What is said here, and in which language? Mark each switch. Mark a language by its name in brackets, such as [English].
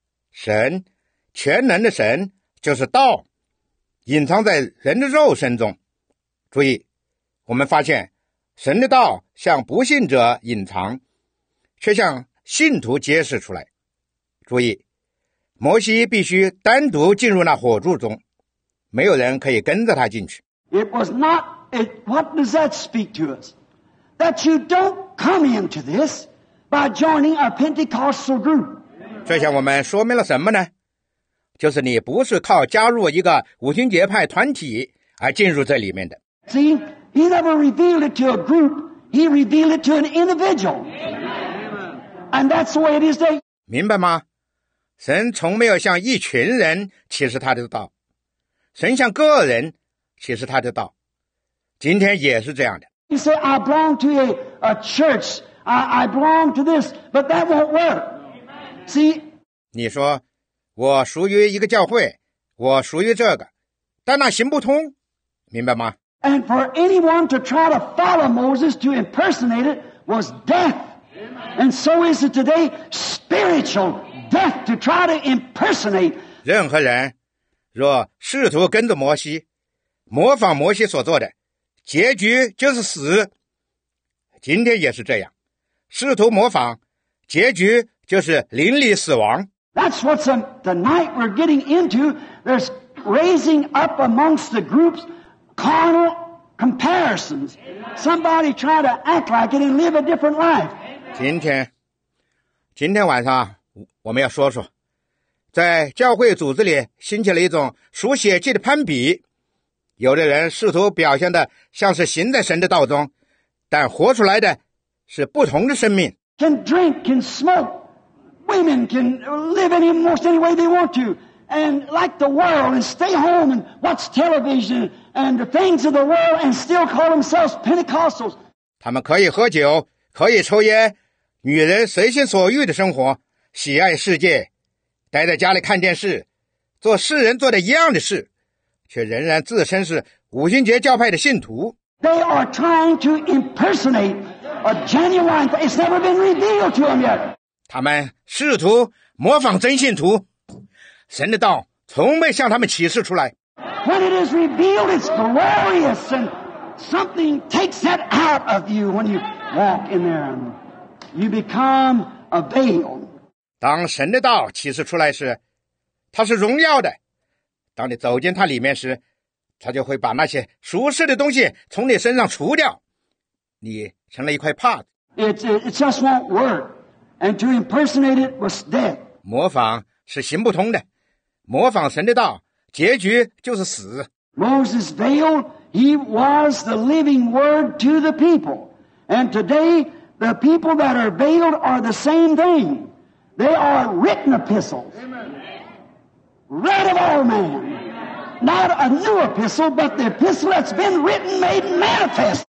[Chinese] 神，全能的神，就是道，隐藏在人的肉身中。注意，我们发现，神的道向不信者隐藏，却向信徒揭示出来。注意，摩西必须单独进入那火柱中，没有人可以跟着他进去。 [English] What does that speak to us? That you don't come into this by joining a Pentecostal group. [Chinese] 这向我们说明了什么呢？就是你不是靠加入一个五旬节派团体而进入这里面的。 [English] See, he never revealed it to a group, he revealed it to an individual. And that's the way it is today. [Chinese] 明白吗？神从没有向一群人启示他的道，神向个人启示他的道。今天也是这样的。 [English] You say, I belong to a church. I belong to this, but that won't work. See? [Chinese] 你说，我属于一个教会，我属于这个，但那行不通，明白吗？ [English] And for anyone to try to follow Moses to impersonate it was death. And so is it today, spiritual death to try to impersonate. [Chinese] 任何人若试图跟着摩西，模仿摩西所做的，结局就是死。今天也是这样，试图模仿，结局就是灵里死亡。 [English] That's what the night we're getting into. There's raising up amongst the groups carnal comparisons. Somebody try to act like it and live a different life. [Chinese] 今天晚上我们要说说，在教会组织里兴起了一种属血气的攀比。有的人试图表现的像是行在神的道中，但活出来的是不同的生命。 [English] Can drink, can smoke. Women can live any most any way they want to, and like the world, and stay home and watch television and the things of the world, and still call themselves Pentecostals. [Chinese] 他们可以喝酒，可以抽烟，女人随心所欲的生活，喜爱世界，待在家里看电视，做世人做的一样的事。却仍然自称是五旬节教派的信徒。 [English] They are trying to impersonate a genuine. It's never been revealed to them yet. [Chinese] 他们试图模仿真信徒，神的道从没向他们启示出来。 [English] When it is revealed, it's glorious, and something takes that out of you when you walk in there. You become a veil. [Chinese] 当神的道启示出来时，它是荣耀的。当你走进它里面时，它就会把那些俗世的东西从你身上除掉，你成了一块帕子。 [English] It just won't work, and to impersonate it was dead. [Chinese] 模仿是行不通的，模仿神的道，结局就是死。 [English] Moses veil, he was the living word to the people, and today the people that are veiled are the same thing. They are written epistles. Read of all men, not a new epistle, but the epistle that's been written, made manifest.